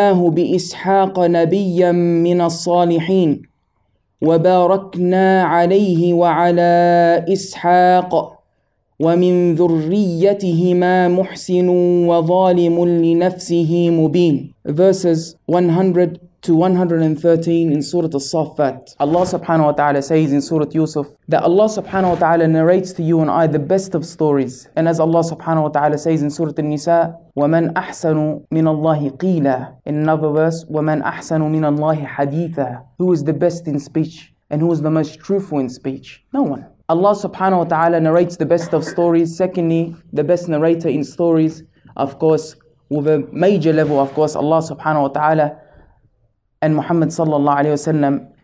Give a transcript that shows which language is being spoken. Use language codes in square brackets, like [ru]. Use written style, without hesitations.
[ar] بإسحاق نبيا من الصالحين وباركنا عليه وعلى إسحاق ومن ذريتهما محسن وظالم لنفسه مبين. [en] Verses 100 to 113 in Surah As-Saffat. Allah subhanahu wa ta'ala says in Surah Yusuf that Allah subhanahu wa ta'ala narrates to you and I the best of stories. And as Allah subhanahu wa ta'ala says in Surah An-Nisa, [ar] وَمَنْ أَحْسَنُ مِنَ اللَّهِ قِيلًا. [en] In another verse, [ar] وَمَنْ أَحْسَنُ مِنَ اللَّهِ حَدِيثًا. [en] Who is the best in speech? And who is the most truthful in speech? No one. Allah subhanahu wa ta'ala narrates the best of stories. Secondly, the best narrator in stories, of course, with a major level, of course, Allah subhanahu wa ta'ala and Muhammad sallallahu alayhi wa sallam.